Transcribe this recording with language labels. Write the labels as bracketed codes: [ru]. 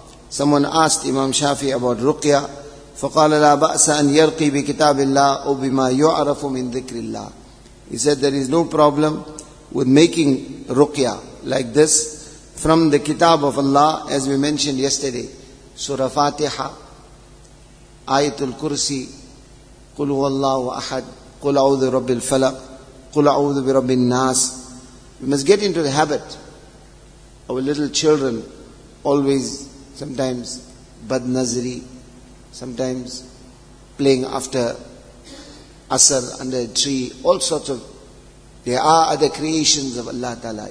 [en] Someone asked Imam Shafi'i about ruqya. [ar] فَقَالَ لَا بَأْسَ أَنْ يَرْقِي بِكِتَابِ اللَّهِ أَوْ بِمَا يُعْرَفُ مِنْ ذِكْرِ اللَّهِ. [en] He said, there is no problem with making ruqya like this from the kitab of Allah, as we mentioned yesterday. [ar] Surah Fatiha, Ayatul Kursi, قُلْ هُوَ اللَّهُ أَحَدٌ قُلْ أَعُوذُ بِرَبِّ الْفَلَقِ قُلْ أَعُوذُ بِرَبِّ النَّاسِ. [en] We must get into the habit. Our little children always, sometimes, bad nazri, sometimes playing after asr under a tree, all sorts of, there are other creations of Allah Ta'ala.